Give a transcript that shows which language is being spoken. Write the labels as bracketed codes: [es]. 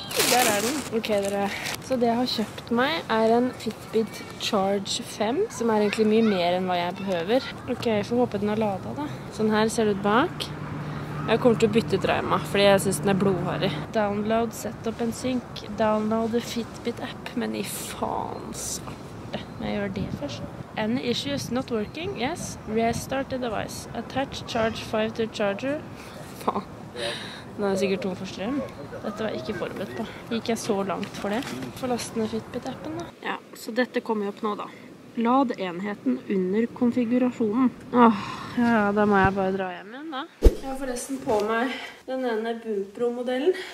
[no] Der er den. Ok, dere. Så det jeg har kjøpt meg er en Fitbit Charge 5, som er egentlig mye mer enn hva jeg behøver. Ok, jeg får håpe den har ladet da. Sånn her ser det ut bak. Jeg kommer til å bytte drama, fordi jeg synes den er blodhårig. [en] Download, set up and sync. Download the Fitbit app, [no] men i faen svarte. Men jeg gjør det først. [en] Any issues not working? Yes. Restart the device. Attach charge 5 to charger. [no] Faen. Den er sikkert tom for strøm. Dette var jeg ikke forberedt på. Gikk jeg så langt for det. For lasten av Fitbit appen da. Ja, så dette kommer opp nå da. Lad enheten under konfigurasjonen. Åh, ja, da må jeg bare dra hjem igjen da. Jeg har forresten på meg den ene Bupro-modellen.